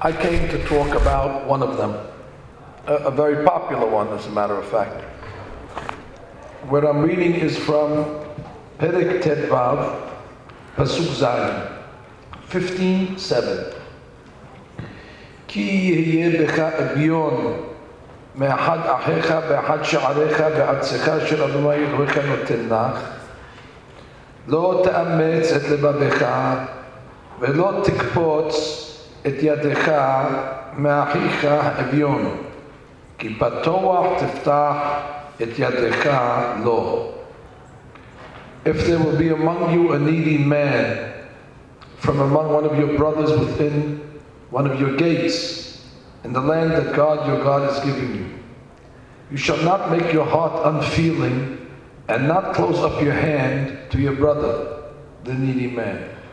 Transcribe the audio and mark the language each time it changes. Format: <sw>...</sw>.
<en>I came to talk about one of them, a very popular one, as a matter of fact. What I'm reading is from Perek Tetvav, Pasuk Zayin, 15:7.</en> <he>Ki yehye becha ebyon. מאחד אחיך ואחד שעריך והצחה של אדומי אלוהיך נותן לך לא תאמץ את לבבך ולא תקפוץ את ידך מאחיך אביון כי בתוח תפתח את ידך לו.</he> <en>If there will be among you a needy man from among one of your brothers within one of your gates in the land that God your God is giving you, you shall not make your heart unfeeling and not close up your hand to your brother, the needy man.</en>